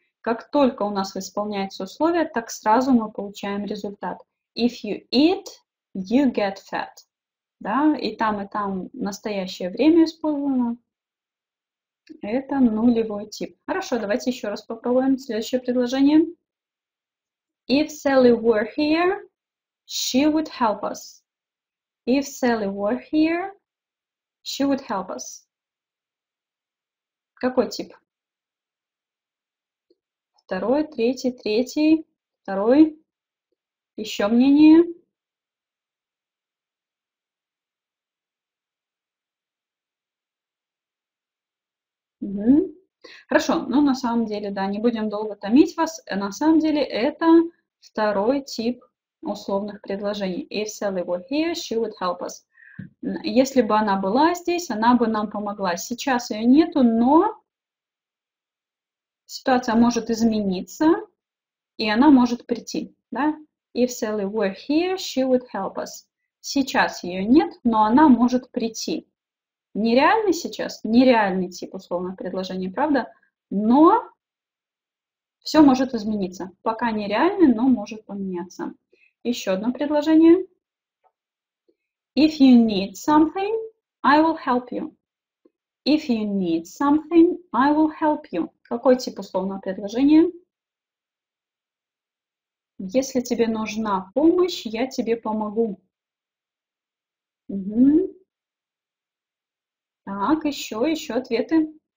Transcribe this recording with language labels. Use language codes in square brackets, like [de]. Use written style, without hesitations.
[ru] Как только у нас исполняется условие, так сразу мы получаем результат. [en] If you eat, you get fat. [ru] Да? И там настоящее время использовано. Это нулевой тип. Хорошо, давайте еще раз попробуем следующее предложение. [en] If Sally were here, she would help us. If Sally were here, she would help us. [ru] Какой тип? Второй, третий, третий, второй. Еще мнение. Угу. Хорошо, ну на самом деле, да, не будем долго томить вас. На самом деле это второй тип условных предложений. [en] If Sally were here, she would help us. [ru] Если бы она была здесь, она бы нам помогла. Сейчас ее нету, но ситуация может измениться, и она может прийти, да? [en] If Sally were here, she would help us. [ru] Сейчас ее нет, но она может прийти. Нереальный сейчас, нереальный тип условных предложений, правда? Но все может измениться. Пока нереальный, но может поменяться. Еще одно предложение. [en] If you need something, I will help you. If you need something, I will help you. [ru] Какой тип условного предложения? Если тебе нужна помощь, я тебе помогу. Так, еще ответы.